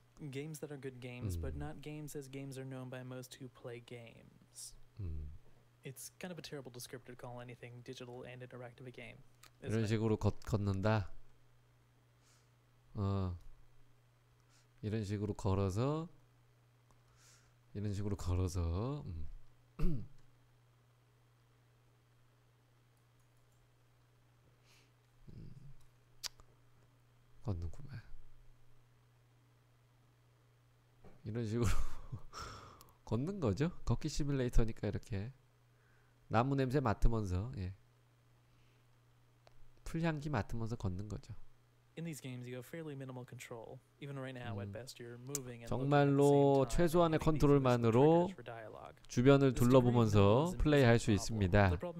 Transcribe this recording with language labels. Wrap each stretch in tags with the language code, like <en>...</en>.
<en>게임스 that are good games but not games as games are known by most who play games. It's kind of a terrible descriptor to call anything digital and interactive a game.</en> <ko>이런 식으로 걷는다. 어, 이런 식으로 걸어서 이런 식으로 걸어서 걷는구만. 이런 식으로 걷는 거죠. 걷기 시뮬레이터니까 이렇게 나무 냄새 맡으면서 예. 풀 향기 맡으면서 걷는 거죠.</ko> <en>In these games you have fairly minimal control. Even right now at best you're moving and</en> <ko>정말로 최소한의 컨트롤만으로 주변을 둘러보면서 플레이할 수 있습니다.</ko>